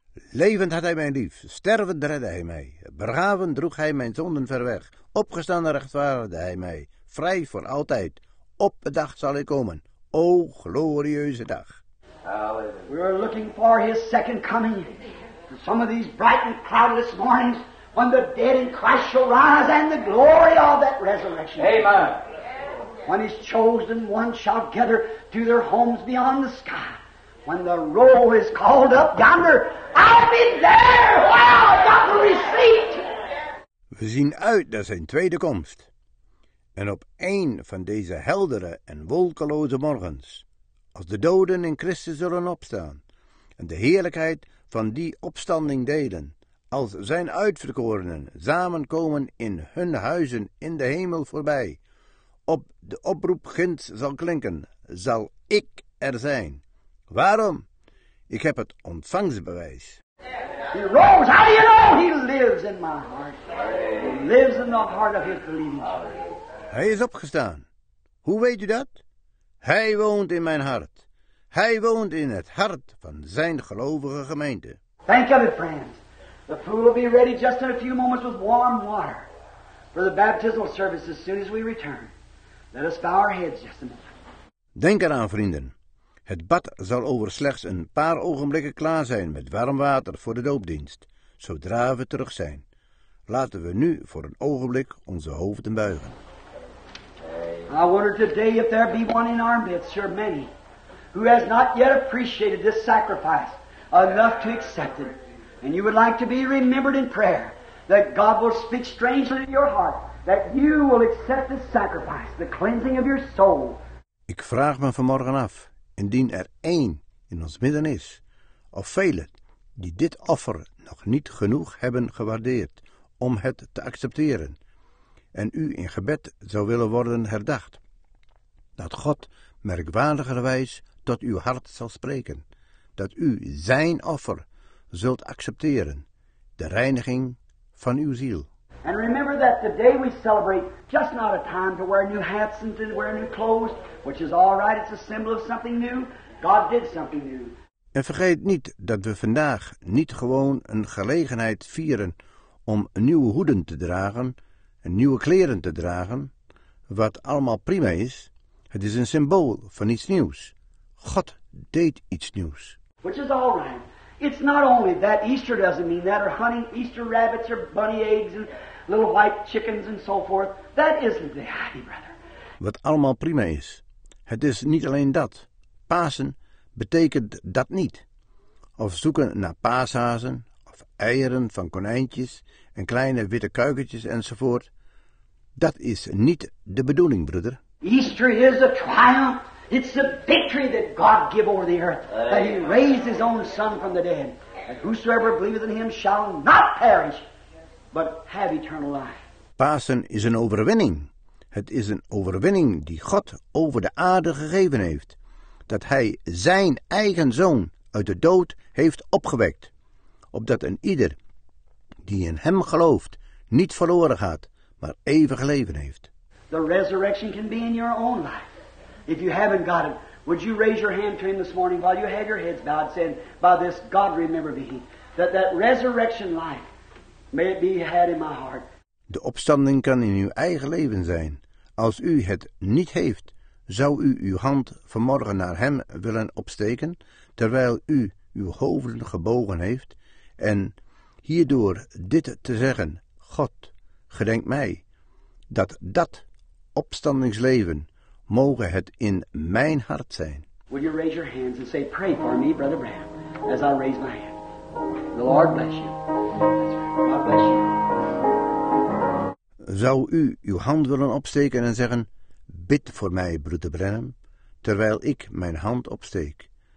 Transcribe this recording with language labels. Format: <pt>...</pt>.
<nl>Levend had hij mijn lief, stervend redde hij mij, begraven droeg hij mijn zonden ver weg, opgestaan rechtvaardigde hij mij, vrij voor altijd, op de dag zal ik komen, o glorieuze dag.</nl> <en>We are looking for his second coming, and some of these bright and cloudless mornings, when the dead in Christ shall rise, and the glory of that resurrection. Amen. When his chosen ones shall gather to their homes beyond the sky. When the roll is called up yonder, I'll be there. Wow, got the receipt.</en> <nl>We zien uit naar zijn tweede komst. En op één van deze heldere en wolkeloze morgens, als de doden in Christus zullen opstaan en de heerlijkheid van die opstanding delen, als zijn uitverkorenen samenkomen in hun huizen in de hemel voorbij, op de oproep ginds zal klinken, zal ik er zijn. Waarom? Ik heb het ontvangstbewijs.</nl> <en>He rose. How do you know? He lives in my heart. He lives in the heart of his believing church.</en> <nl>Hij is opgestaan. Hoe weet u dat? Hij woont in mijn hart. Hij woont in het hart van zijn gelovige gemeente.</nl> <en>Think of it, friends. The pool will be ready just in a few moments with warm water for the baptismal service as soon as we return. Let us bow our heads just a minute.</en> <nl>Denk eraan, vrienden. Het bad zal over slechts een paar ogenblikken klaar zijn met warm water voor de doopdienst, zodra we terug zijn. Laten we nu voor een ogenblik onze hoofden buigen.</nl> <en>I wonder today if there be one in our midst, or many, who has not yet appreciated this sacrifice enough to accept it, and you would like to be remembered in prayer, that God will speak strangely in your heart, that you will accept this sacrifice, the cleansing of your soul.</en> <nl>Ik vraag me vanmorgen af. Indien er één in ons midden is, of velen die dit offer nog niet genoeg hebben gewaardeerd om het te accepteren, en u in gebed zou willen worden herdacht, dat God merkwaardigerwijs tot uw hart zal spreken, dat u zijn offer zult accepteren, de reiniging van uw ziel.</nl> <en>And remember that the day we celebrate just not a time to wear new hats and to wear new clothes, which is all right, it's a symbol of something new. God did something new.</en> <nl>En vergeet niet dat we vandaag niet gewoon een gelegenheid vieren om nieuwe hoeden te dragen. nieuwe kleren te dragen, wat allemaal prima is, het is een symbool van iets nieuws. God deed iets nieuws.</nl> <en>Which is all right. It's not only that Easter doesn't mean that, or hunting Easter rabbits or bunny eggs and little white chickens and so forth. That isn't the idea, brother.</en> <nl>Wat allemaal prima is, het is niet alleen dat. Pasen betekent dat niet. Of zoeken naar paashazen, of eieren van konijntjes en kleine witte kuikentjes enzovoort. Dat is niet de bedoeling, broeder.</nl> <en>Easter is a triumph. It's the victory that God gave over the earth, that he raised his own son from the dead. And whosoever believeth in him shall not perish, but have eternal life.</en> <nl>Pasen is een overwinning. Het is een overwinning die God over de aarde gegeven heeft. Dat hij zijn eigen zoon uit de dood heeft opgewekt. Opdat een ieder die in hem gelooft niet verloren gaat, maar eeuwig leven heeft.</nl> <en>The resurrection can be in your own life. If you haven't got it, would you raise your hand to him this morning while you have your heads bowed, saying, by this God remember me, that resurrection life may it be had in my heart.</en> <nl>De opstanding kan in uw eigen leven zijn. Als u het niet heeft, zou u uw hand vanmorgen naar hem willen opsteken, terwijl u uw hoofden gebogen heeft, en hierdoor dit te zeggen, God, gedenk mij, dat opstandingsleven mogen het in mijn hart zijn.</nl> <en>Would you raise your hands and say, pray for me, Brother Branham, as I raise my hand. The Lord bless you. God bless you.</en> <nl>Zou u uw hand willen opsteken en zeggen, bid voor mij, broeder Branham, terwijl ik mijn hand opsteek.</nl>